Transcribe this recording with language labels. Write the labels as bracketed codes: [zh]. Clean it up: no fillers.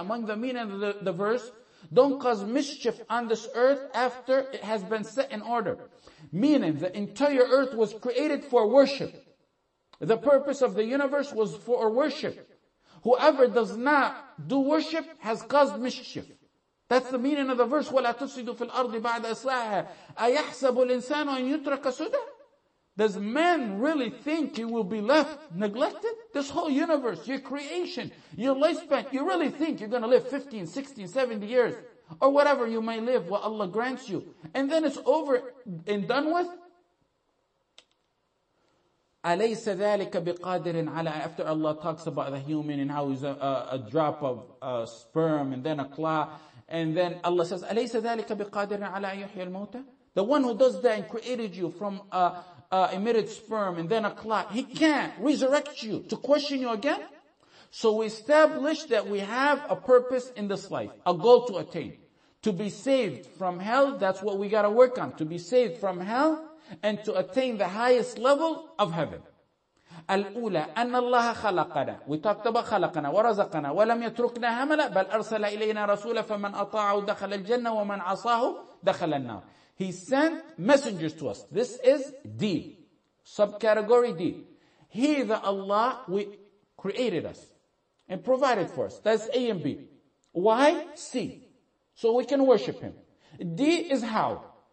[en] Among the meaning of the verse, don't cause mischief on this earth after it has been set in order. Meaning the entire earth was created for worship. The purpose of the universe was for worship. Whoever does not do worship has caused mischief. That's the meaning of the verse, [ar] وَلَا تُفْسِدُوا فِي الْأَرْضِ بَعْدَ إِصْلَاحِهَا. أَيَحْسَبُ الْإِنسَانُ أَنْ يُتْرَكَ سُدًى. [en] Does man really think he will be left neglected? This whole universe, your creation, your lifespan, you really think you're going to live 15, 16, 70 years, or whatever you may live, what Allah grants you, and then it's over and done with? [ar] أَلَيْسَ ذَلِكَ بِقَادِرٍ عَلَىٰ. [en] After Allah talks about the human and how he's a drop of sperm and then a claw, and then Allah says, [ar] أَلَيْسَ ذَلِكَ بِقَادِرٍ عَلَىٰ يُحْيَ الْمَوْتَى. [en] The one who does that and created you from emitted sperm and then a clot, he can't resurrect you to question you again. So we establish that we have a purpose in this life, a goal to attain. To be saved from hell, that's what we gotta work on. To be saved from hell and to attain the highest level of heaven. [ar] الأولى أن الله خلقنا. [en] We talked about [ar] خلقنا ورزقنا ولم يتركنا هملا بل أرسل إلينا رسولا فمن أطاعه دخل الجنة ومن عصاه دخل النار. [en] He sent messengers to us. This is D, subcategory D. He, the Allah, we created us and provided for us. That's A and B. Why? C, so we can worship him. D is how.